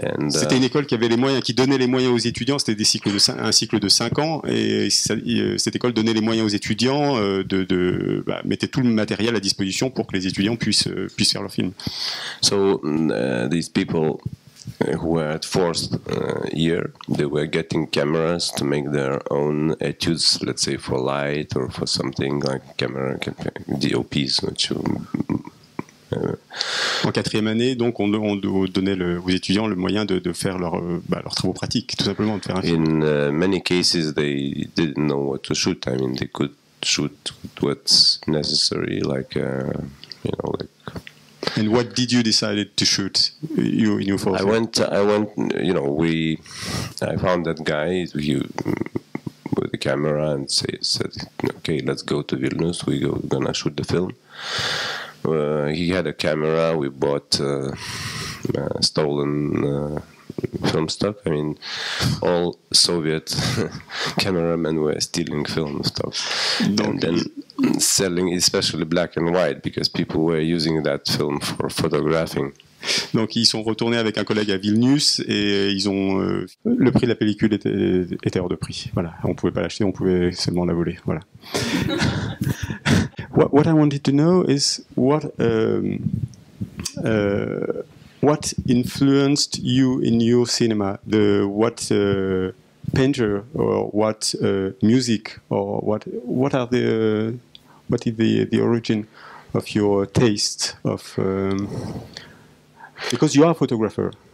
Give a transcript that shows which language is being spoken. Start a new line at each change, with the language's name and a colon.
French: C'était une école qui avait les moyens, qui donnait les moyens aux étudiants. C'était des cycles de 5, un cycle de 5 ans, et cette école donnait les moyens aux étudiants mettait tout le matériel à disposition pour que les étudiants puissent faire leur film.
English: So these people who were at fourth year, they were getting cameras to make their own etudes, let's say for light or for something like camera DOPs, which you,
French: En quatrième année, donc, on donnait aux étudiants le moyen de faire leurs travaux pratiques, tout simplement, de faire un film.
English: In many cases, they didn't know what to shoot. I mean, they could shoot what's necessary, like, you know, like. And what did you decide to shoot? You in your fourth? I went. You know, I found that guy. With the camera and said, "Okay, let's go to Vilnius. We're gonna shoot the film." He had a camera. We bought stolen film stock. I mean, all Soviet cameramen were stealing film stock, and then selling, especially black and white, because people were using that film for photographing.
French: Donc ils sont retournés avec un collègue à Vilnius et ils ont le prix de la pellicule était hors de prix. Voilà, on pouvait pas l'acheter, on pouvait seulement la voler. Voilà.
English: What I wanted to know is what influenced you in your cinema? The what painter or what music or what are the what is the origin of your taste of because you are a photographer.